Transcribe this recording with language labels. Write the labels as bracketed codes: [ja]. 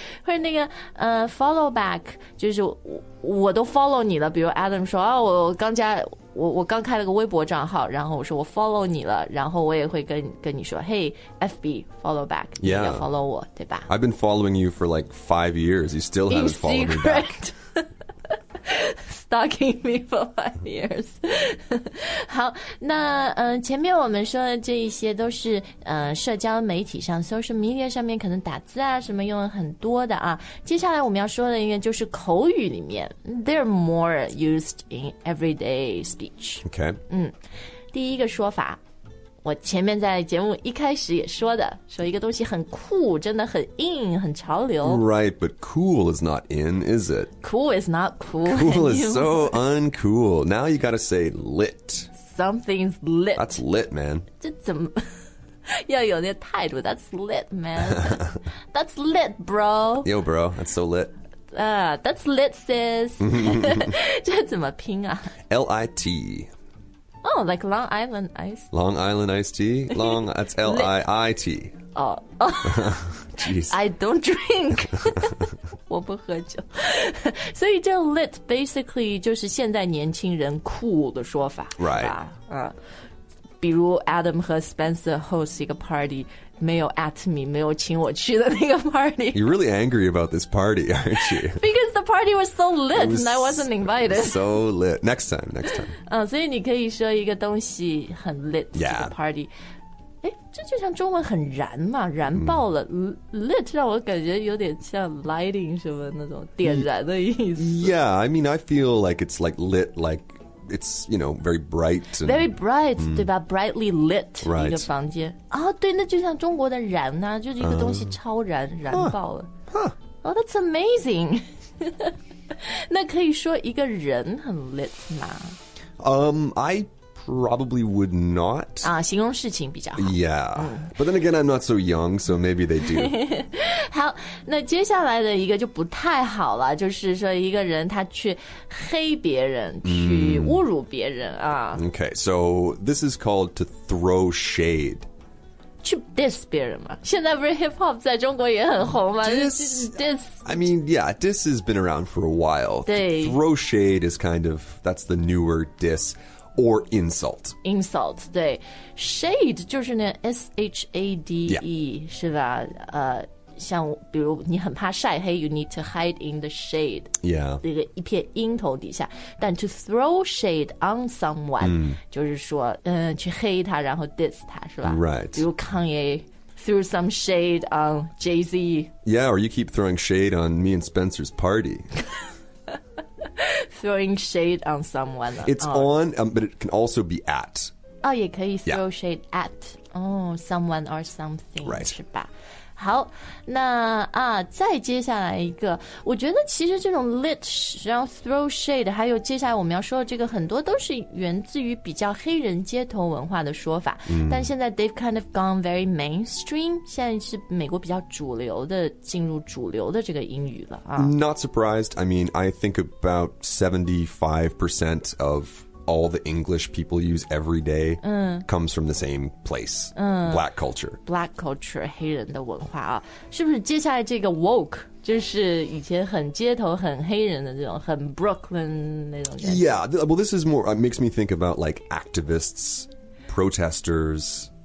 [zh] 或者那个follow back， 就是我都 follow 你了。比如 Adam 说啊、哦，我刚加。我刚开了个微博账号然后我说我 follow 你了然后我也会跟你说 [en] Hey, FB, follow back. Yeah. [zh] 你也 follow 我对吧 [en] I've been following you for like 5 years. You still haven't、 In、 followed、 secret. me back. Stalking me for 5 years. [zh] 好那、前面我们说的这一些都是、社交媒体上 social media 上面可能打字啊什么用了很多的啊。接下来我们要说的一个就是口语里面 [en] They're more used in everyday speech. Okay. [zh] 嗯，第一个说法我前面在节目一开始也说的说一个东西很酷真的很 in 很潮流 [en] Right, but cool is not in, is it? Cool is not cool Cool、 anymore. is so uncool Now you gotta say lit Something's lit That's lit, man [zh] 这怎么要有那态度 [en] That's lit, man That's lit, bro Yo, bro, that's so lit That's lit, sis [zh] 这怎么拼啊 [en] L-I-T Oh, like Long Island Iced Tea. Long Island Iced Tea? Long, that's L-I-I-T. Oh. Jeez. I don't drink. [zh] 我不喝酒。所以这 lit basically 就是现在年轻人 cool 的说法。 [en] Right. [zh] 比如 Adam 和 Spencer host 一个 party, 没有 at me, 没有请我去的那个 party. [en] You're really angry about this party, aren't you? Because the party was so lit was and I wasn't invited. So lit. Next time, next time. [zh] 所以你可以说一个东西很 lit, 这个 party. 诶，这就像中文很燃嘛，燃爆了。Lit 让我感觉有点像 lighting 什么那种点燃的意思。 [en] Yeah, I mean, I feel like it's like lit, like... It's, you know, very bright. And, very bright,、mm. [zh] 对吧 [en] Brightly lit. Right. [zh] 一个房间、oh, 对那就像中国的燃啊就是一个东西超燃、燃爆了。 [en] Huh. Oh, that's amazing. [zh] 那可以说一个人很 lit 吗 [en] I probably would not. [zh] 啊、形容事情比较好。 [en] Yeah.、Mm. But then again, I'm not so young, so maybe they do. [zh] 好那接下来的一个就不太好了就是说一个人他去黑别人去侮辱别人啊。 [en] Okay, so this is called to throw shade. [zh] 去 diss 别人嘛现在不是 hip-hop 在中国也很红吗 [en] diss, I mean, yeah, diss has been around for a while. [zh] 对 [en] Throw shade is kind of, that's the newer diss. Or insult. [zh] Insult, 对 Shade 就是那 S-H-A-D-E,、 [en] yeah. [zh] 是吧、像比如你很怕晒黑 [en] You need to hide in the shade. Yeah. [zh] 这个一片阴头底下但 to throw shade on someone,、mm. 就是说、去黑他然后 diss 他是吧 [en] Right. 比如 Kanye threw some shade on Jay-Z. Yeah, or you keep throwing shade on me and Spencer's party. Throwing shade on someone. It's、oh. on,、but it can also be at. Oh, [zh] 也可以 [en] throw、yeah. shade at. Oh, someone or something. Right. [zh] 是吧? 好，那啊，再接下来一个，我觉得其实这种 lit， 然后 throw shade， 还有接下来我们要说的这个，很多都是源自于比较黑人街头文化的说法。嗯，但现在 [en] they've kind of gone very mainstream， [zh] 现在是美国比较主流的，进入主流的这个英语了啊。 [en] Not surprised. I mean, I think about 75% of all the English people use every day comes from the same place, black culture. [zh] Black culture, 黑人的文化啊，是不是接下来这个 woke 就是以前很街头很黑人的这种很 Brooklyn 那种感觉。 [en] Yeah, well, this is more, it makes me think about like activists, protesters.